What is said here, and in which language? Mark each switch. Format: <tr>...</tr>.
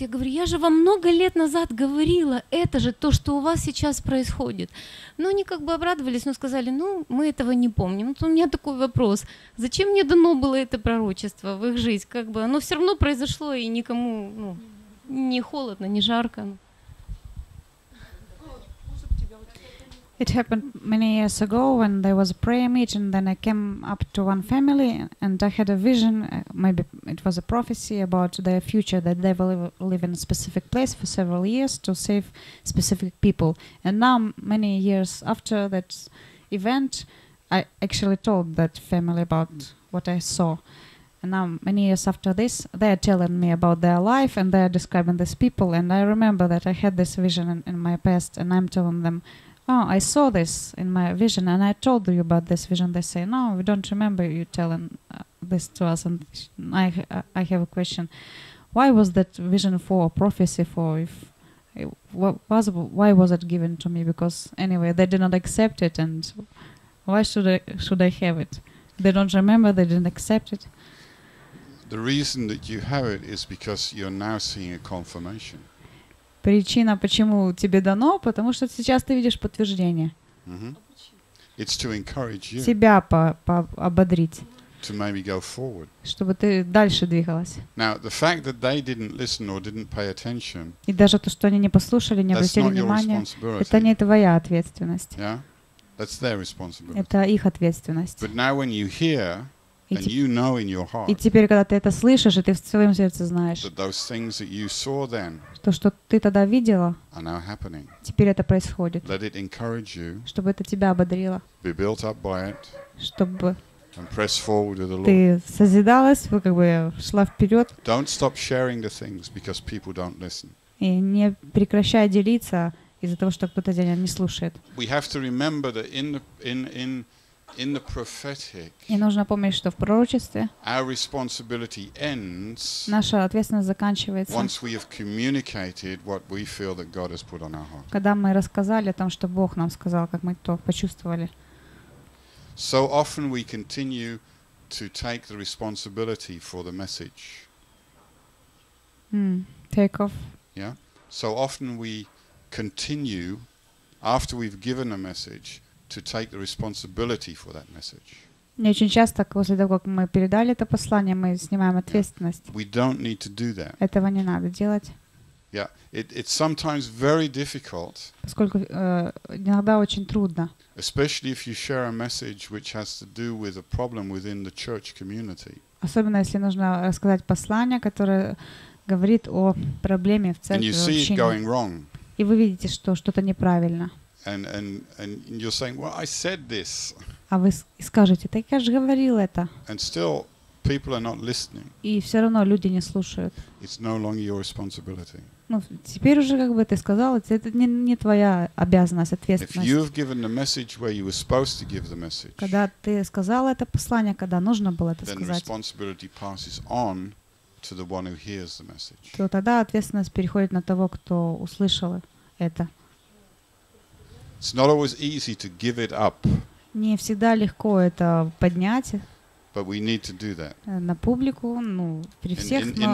<ru>Я говорю, я же вам много лет назад говорила, это же то, что у вас сейчас происходит. Но они как бы обрадовались, но сказали, ну, мы этого не помним. Вот у меня такой вопрос, зачем мне дано было это пророчество в их жизнь? Как бы оно все равно произошло, и никому, ну, не холодно, не жарко.</ru> <en>It happened many years ago when there was a prayer meeting. Then I came up to one family and I had a vision. Maybe it was a prophecy about their future, that they will live in a specific place for several years to save specific people. And now, many years after that event, I actually told that family about what I saw. And now, many years after this, they are telling me about their life and they are describing these people. And I remember that I had this vision in my past, and I'm telling them, oh, I saw this in my vision, and I told you about this vision. They say, no, we don't remember you telling this to us. And I have a question. Why was that vision for, a prophecy for? If it was, why was it given to me? Because anyway, they did not accept it, and why should I have it? They don't remember, they didn't accept it. The reason that you have it is because you're now seeing a confirmation.</en> <ru>Причина, почему тебе дано, потому что сейчас ты видишь подтверждение.</ru> <en>It's to encourage you.</en> <ru>Себя ободрить.</ru> <en>To maybe go forward.</en> <ru>Чтобы ты дальше двигалась.</ru> <en>Now, the fact that they didn't listen or didn't pay attention.</en> <ru>И даже то, что они не послушали, не обратили внимания, это не твоя ответственность.</ru> <en>Yeah? That's their responsibility.</en> <ru>Это их ответственность.</ru> <en>But now when you hear, and you know in your heart.</en> <ru>И теперь, когда ты это слышишь, и ты в своем сердце знаешь.</ru> <en>That those things that you saw then.</en> <ru>То, что ты тогда видела.</ru> <en>Are now happening.</en> <ru>Теперь это происходит.</ru> <en>Let it encourage you.</en> <ru>Чтобы это тебя ободрило.</ru> <en>Be built up by it.</en> <ru>Чтобы.</ru> <en>And press forward with the Lord.</en> <ru>Ты созидалась, вы как бы шла вперед.</ru> <en>Don't stop sharing the things because people don't listen.</en> <ru>И не прекращай делиться из-за того, что кто-то тебя не слушает.</ru> <en>We have to remember that in the prophetic.</en> <ru>И нужно помнить, что в пророчестве</ru> <en>our responsibility ends.</en> <ru>Наша ответственность заканчивается.</ru> <en>Once we have communicated what we feel that God has put on our heart.</en> <ru>Когда мы рассказали о том, что Бог нам сказал, как мы то почувствовали.</ru> <en>So often we continue to take the responsibility for the message. Take off. Yeah. So often we continue after we've given a message to take the responsibility for that message.</en> <ru>Не очень часто, после того, как мы передали это послание, мы снимаем ответственность.</ru> <en>We don't need to do that.</en> <ru>Этого не надо делать.</ru> <en>Yeah, it's sometimes very difficult.</en> <ru>Поскольку иногда очень трудно.</ru> <en>Especially if you share a message which has to do with a problem within the church community.</en> <ru>Особенно если нужно рассказать послание, которое говорит о проблеме в церкви.</ru> <en>And you see it going wrong.</en> <ru>И вы видите, что что-то неправильно.</ru> <en>And you're saying, well, I said this.</en> <ru>А вы скажете, так я же говорил это.</ru> <en>And still, people are not listening.</en> <ru>И все равно люди не слушают.</ru> <en>It's no longer your responsibility.</en> <ru>Ну, теперь уже как бы ты сказал, это не твоя обязанность, ответственность.</ru> <en>If you've given the message where you were supposed to give the message.</en> <ru>Когда ты сказал это послание, когда нужно было это</ru> <en>then</en> <ru>сказать.</ru> <en>Then responsibility passes on to the one who hears the message.</en> <ru>То тогда ответственность переходит на того, кто услышал это.</ru> <en>It's not always easy to give it up.</en> <ru>Не всегда легко это поднять.</ru> <en>But we need to do that.</en> <ru>На публику, ну, при всех, но</ru>